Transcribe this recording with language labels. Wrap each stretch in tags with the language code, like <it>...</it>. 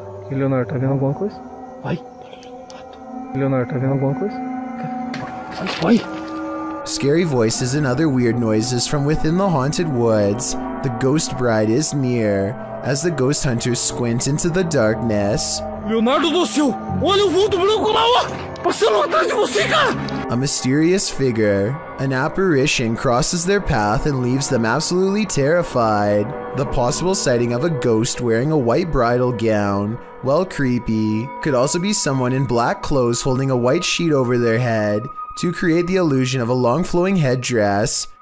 <pt>Leonardo, tá vendo alguma coisa? Oi? Leonardo, tá vendo alguma coisa? Oi?</pt> <en>Scary voices and other weird noises from within the haunted woods. The ghost bride is near, as the ghost hunters squint into the darkness.</en> <pt>Leonardo do céu, olha o vulto branco lá, ó! Passando atrás de você, cara!</pt> <en>A mysterious figure, an apparition, crosses their path and leaves them absolutely terrified. The possible sighting of a ghost wearing a white bridal gown, well, creepy, could also be someone in black clothes holding a white sheet over their head to create the illusion of a long flowing headdress.</en>